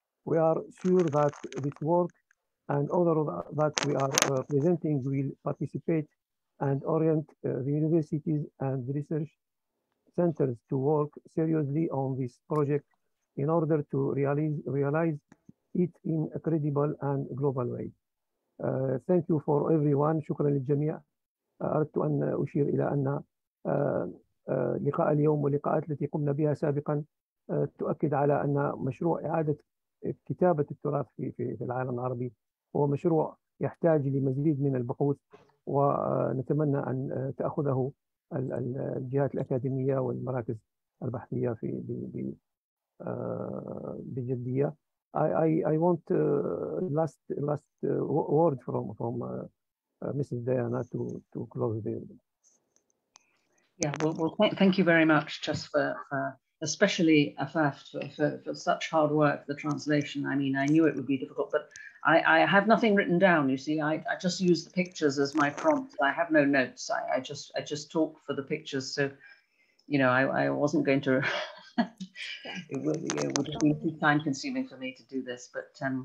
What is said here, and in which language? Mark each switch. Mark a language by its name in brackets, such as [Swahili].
[English] We are sure that this work and other that we are presenting will participate and orient the universities and research centers to work seriously on this project in order to realize it in a credible and global way. Thank you for everyone. [Arabic] شكرا للجميع. أردت أن أشير إلى أن لقاء اليوم واللقاءات التي قمنا بها سابقا تؤكد على أن مشروع إعادة كتابة التراث في العالم العربي هو مشروع يحتاج لمزيد من البحوث ونتمنى أن تأخذه الجهات الأكاديمية والمراكز البحثية في بجدية. [English] I want last word from Mrs. Diana to close the yeah well thank you very much just for especially Afaf for such hard work the translation I mean I knew it would be difficult but I have nothing written down you see I just use the pictures as my prompt I have no notes I just talk for the pictures so you know I wasn't going to it would have been too time consuming for me to do this but